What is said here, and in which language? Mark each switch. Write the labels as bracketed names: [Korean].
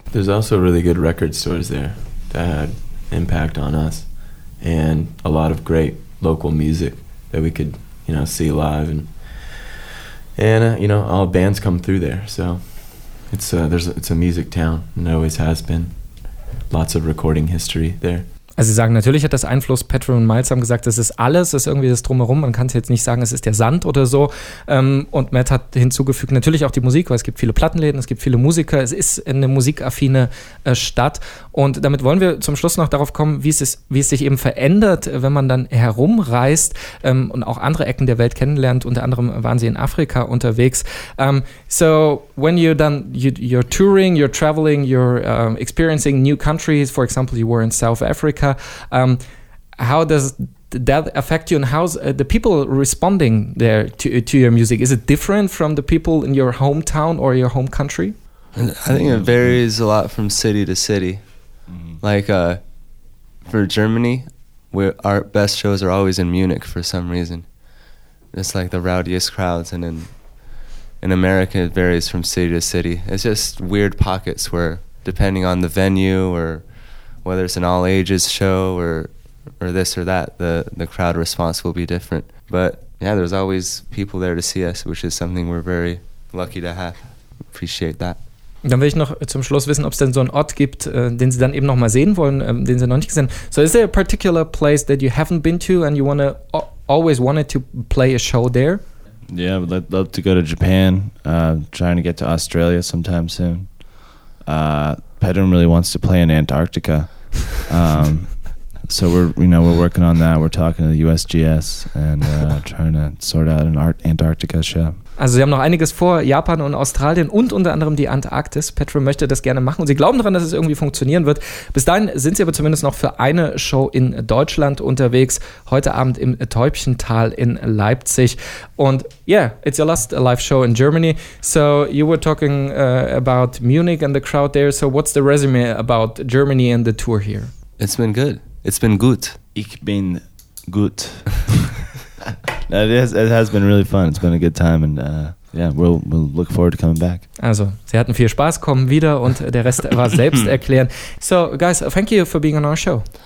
[English] there's also really good record stores there that had impact on us, and a lot of great local music that we could see live, and you know, all bands come through there. So it's a music town and always has been. Lots of recording history there. [German] Also sie sagen, natürlich hat das Einfluss, Petro und Miles haben gesagt, das ist alles, das ist irgendwie das Drumherum, man kann es jetzt nicht sagen, es ist der Sand oder so. Und Matt hat hinzugefügt, natürlich auch die Musik, weil es gibt viele Plattenläden, es gibt viele Musiker, es ist eine musikaffine Stadt. Und damit wollen wir zum Schluss noch darauf kommen, wie es sich eben verändert, wenn man dann herumreist und auch andere Ecken der Welt kennenlernt. Unter anderem waren sie in Afrika unterwegs. [English] So when you then, you're touring, you're traveling, you're experiencing new countries, for example, you were in South Africa, how does that affect you, and how's the people responding there to your music? Is it different from the people in your hometown or your home country? I think it varies a lot from city to city. Mm-hmm. Like for Germany, our best shows are always in Munich for some reason. It's like the rowdiest crowds, and in America, it varies from city to city. It's just weird pockets where, depending on the venue or whether it's an all ages show or this or that, the crowd response will be different. But yeah, there's always people there to see us, which is something we're very lucky to have. Appreciate that. [German] Dann will ich noch zum Schluss wissen, ob es denn so einen Ort gibt, den Sie dann eben noch mal sehen wollen, den Sie noch nicht gesehen. [English] So is there a particular place that you haven't been to and you always wanted to play a show there? Yeah, I'd love to go to Japan. Trying to get to Australia sometime soon. Pedram really wants to play in Antarctica, so we're working on that. We're talking to the USGS and trying to sort out an Antarctica show. [German] Also sie haben noch einiges vor, Japan und Australien und unter anderem die Antarktis. Petrum möchte das gerne machen und sie glauben daran, dass es irgendwie funktionieren wird. Bis dahin sind sie aber zumindest noch für eine Show in Deutschland unterwegs, heute Abend im Täubchental in Leipzig. [English] Und yeah, it's your last live show in Germany. So you were talking about Munich and the crowd there. So what's the resume about Germany and the tour here? It's been good. It's been gut. [German] Ich bin gut. [English] It has been really fun. It's been a good time, and yeah, we'll look forward to coming back. [German] Also, sie hatten viel Spaß, kommen wieder, und der Rest war selbsterklärend. [English] So, guys, thank you for being on our show.